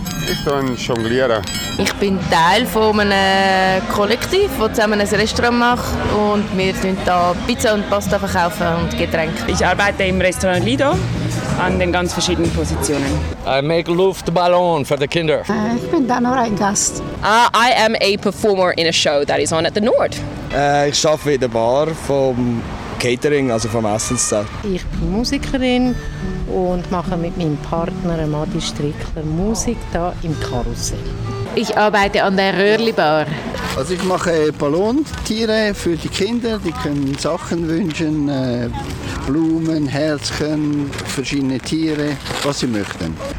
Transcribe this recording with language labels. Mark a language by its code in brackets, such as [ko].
[de] Ich bin Jonglierer. Ich bin Teil von einem Kollektiv, das zusammen ein Restaurant macht. Und wir verkaufen hier Pizza und Pasta verkaufen und Getränke. Ich arbeite im Restaurant Lido an den ganz verschiedenen Positionen. [en] I make [de] Luftballon für die Kinder. Ich bin da nur ein Gast. [en] I am a performer in a show that is on at the Nord. [de] Ich arbeite in der Bar vom Catering, also vom Essenszelt. Ich bin Musikerin und mache mit meinem Partner Madi Strickler Musik hier im Karussell. Ich arbeite an der Röhrli-Bar. Also ich mache Ballontiere für die Kinder, die können Sachen wünschen, Blumen, Herzchen, verschiedene Tiere, was sie möchten.